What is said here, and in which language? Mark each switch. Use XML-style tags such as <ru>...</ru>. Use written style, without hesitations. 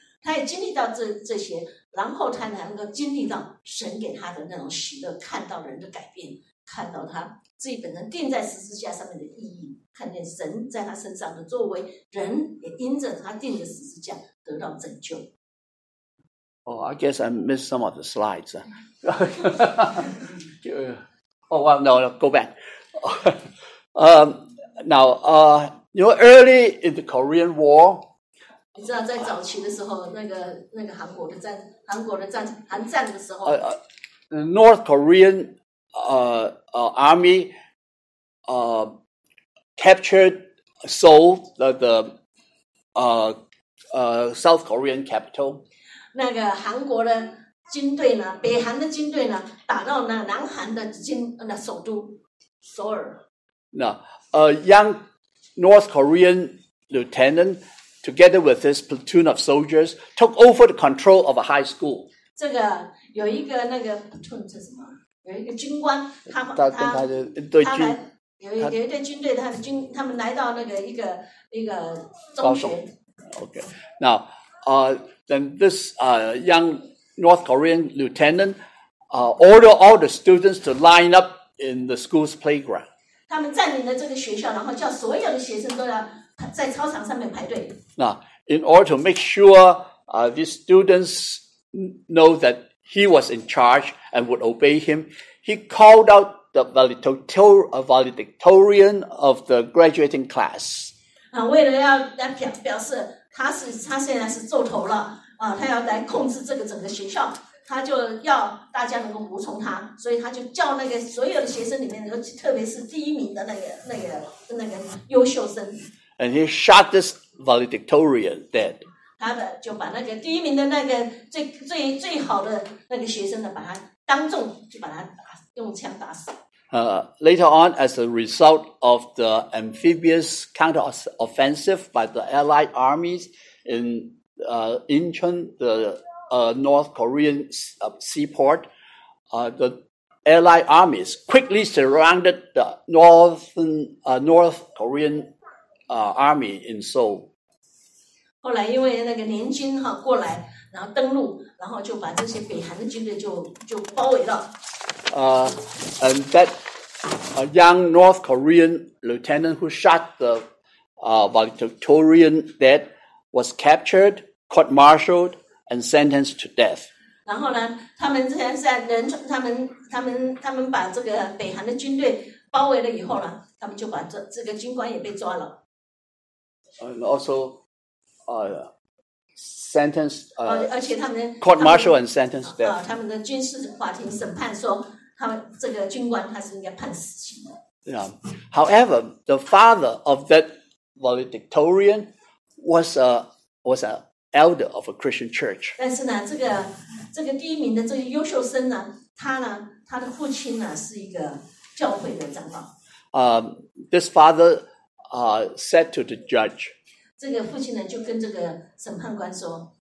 <zh>他也经历到这些，然后他能够经历到神给他的那种喜乐，看到人的改变，看到他自己本人钉在十字架上面的意义，看见神在他身上的作为，人也因着他钉的十字架得到拯救。</zh> <en>Oh, I guess I missed some of the slides. Oh, well, no, go back. You know, early in the Korean War,</en> <zh>你知道在早期的时候，那个韩国的战的时候，</zh> <en>The North Korean army captured Seoul, the South Korean capital.</en> <zh>那个韩国的军队呢，北韩的军队呢，打到呢南韩的首都首尔。</zh> <en>Now, a young North Korean lieutenant, together with his platoon of soldiers, took over the control of a high school.</en> <zh>这个有一个那个 platoon 是什么？有一个军官，他们来到那个一个中学。</zh> <en>Okay. Now, then this young North Korean lieutenant ordered all the students to line up in the school's playground.</en> <zh>他们占领了这个学校，然后叫所有的学生都要在操场上面排队。</zh> <en>Now, in order to make sure these students know that he was in charge and would obey him, he called out the valedictorian of the graduating class.</en> <zh>为了要表示他现在是做头了。他要来控制这个整个学校，他就要大家能够服从他，所以他就叫那个所有的学生里面，特别是第一名的那个优秀生。</zh> <en>And he shot this valedictorian dead.</en> <zh>他的就把那个第一名的那个最好的那个学生呢，把他当众就把他用枪打死。</zh> <en>Later on, as a result of the amphibious counteroffensive by the Allied armies Incheon, the North Korean seaport, the Allied armies quickly surrounded the North Korean army in Seoul.</en> <zh>后来因为那个联军哈过来，然后登陆，然后就把这些北韩的军队就包围了。</zh> <en>And that young North Korean lieutenant who shot the valedictorian dead was captured. Court-martialed and sentenced to death.</en> <zh>然后呢，他们现在他们把这个北韩的军队包围了以后呢，他们就把这个军官也被抓了。</zh> <en>And also, sentenced.</en> <zh>而且他们</zh> <en>court-martialed and sentenced to death.</en> <zh>他们的军事法庭审判说，他们这个军官他是应该判死刑的。</zh> <en>Yeah. However, the father of that valedictorian was an elder of a Christian church.</en> <zh>但是呢，这个第一名的这个优秀生呢，他的父亲呢是一个教会的长老。</zh> <en>This father said to the judge.</en> <zh>这个父亲呢就跟这个审判官说。</zh>